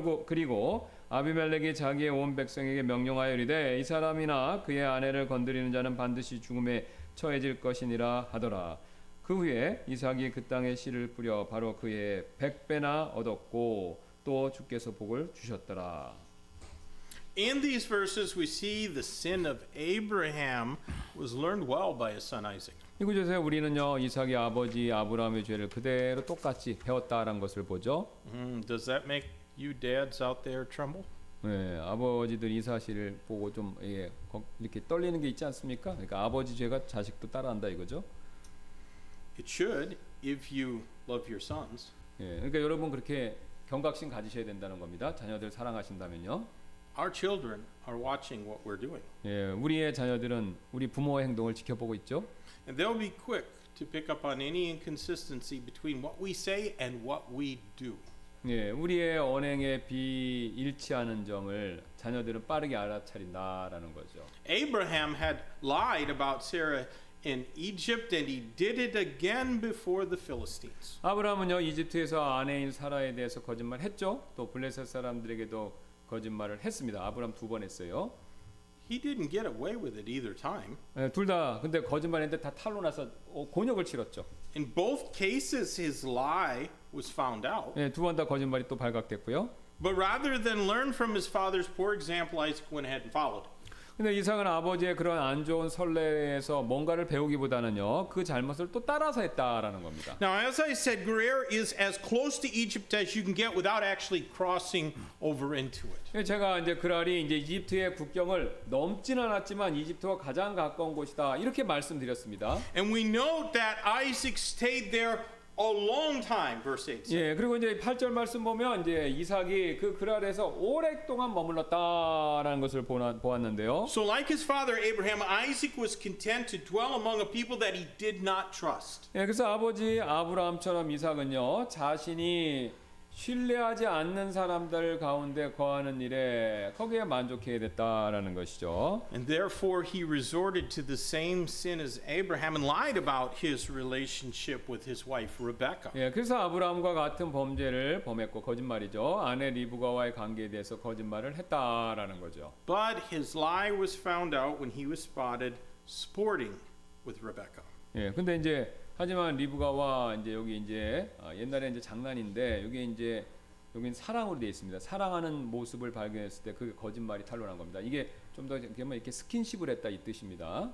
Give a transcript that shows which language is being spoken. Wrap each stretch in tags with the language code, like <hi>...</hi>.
<ko>그리고 아비멜렉이 자기의 온 백성에게 명령하여 이르되 이 사람이나 그의 아내를 건드리는 자는 반드시 죽음에 처해질 것이니라 하더라. 그 후에 이삭이 그 땅에 씨를 뿌려 바로 그의 100배나 얻었고 또 주께서 복을 주셨더라.</ko> <en>In these verses we see the sin of Abraham was learned well by his son Isaac.</en> <ko>이곳에서 우리는요 이삭의 아버지 아브라함의 죄를 그대로 똑같이 배웠다라는 것을 보죠.</ko> <en>Does that make you dads out there tremble?</en> <ko>네, 아버지들 이 사실을 보고 좀 이렇게 떨리는 게 있지 않습니까? 그러니까 아버지 죄가 자식도 따라한다 이거죠.</ko> <en>It should if you love your sons.</en> <ko>예, 그러니까 여러분 그렇게 경각심 가지셔야 된다는 겁니다. 자녀들 사랑하신다면요.</ko> <en>Our children are watching what we're doing.</en> <ko>예, 우리의 자녀들은 우리 부모의 행동을 지켜보고 있죠.</ko> <en>And they'll be quick to pick up on any inconsistency between what we say and what we do.</en> <ko>예, 우리의 언행에 비일치하는 점을 자녀들은 빠르게 알아차린다라는 거죠.</ko> <en>Abraham had lied about Sarah in Egypt and he did it again before the Philistines.</en> <ko>아브라함은요, 이집트에서 아내인 사라에 대해서 거짓말 했죠. 또 블레셋 사람들에게도 거짓말을 했습니다. 아브라함 두 번 했어요.</ko> <en>He didn't get away with it either time.</en> <ko>예, 둘 다 근데 거짓말했는데 다 탄로 나서 곤욕을 치렀죠.</ko> <en>In both cases his lie was found out.</en> <ko>예, 두 번 다 거짓말이 또 발각됐고요.</ko> <en>But rather than learn from his father's poor example, Isaac went ahead and followed.</en> <ko>근데 이삭은 아버지의 그런 안 좋은 선례에서 뭔가를 배우기보다는요. 그 잘못을 또 따라서 했다라는 겁니다.</ko> <en>Now as I said, Gerar is as close to Egypt as you can get without actually crossing over into it.</en> <ko>제가 이제 그랄이 이제 이집트의 국경을 넘지는 않았지만 이집트와 가장 가까운 곳이다. 이렇게 말씀드렸습니다.</ko> <en>And we know that Isaac stayed there a long time, verse 8.</en> <ko>예, 그리고 이제 8절 말씀 보면 이제 이삭이 그 그랄에서 오랫동안 머물렀다라는 것을 보았는데요.</ko> <en>So like his father Abraham, Isaac was content to dwell among a people that he did not trust.</en> <ko>예, 그래서 아버지 아브라함처럼 이삭은요, 자신이 신뢰하지 않는 사람들 가운데 거하는 일에 거기에 만족해야 됐다라는 것이죠.</ko> <en>And therefore he resorted to the same sin as Abraham and lied about his relationship with his wife Rebecca.</en> <ko>예, 그래서 아브라함과 같은 범죄를 범했고 거짓말이죠. 아내 리브가와의 관계에 대해서 거짓말을 했다라는 거죠.</ko> <en>But his lie was found out when he was spotted sporting with Rebecca.</en> <ko>예, 근데 이제 하지만 리브가와 이제 여기 이제 옛날에 이제 장난인데 여기 이제 여기는 사랑으로 되어 있습니다. 사랑하는 모습을 발견했을 때 그게 거짓말이 탄로난 겁니다. 이게 좀 더 이렇게 스킨십을 했다 이 뜻입니다.</ko>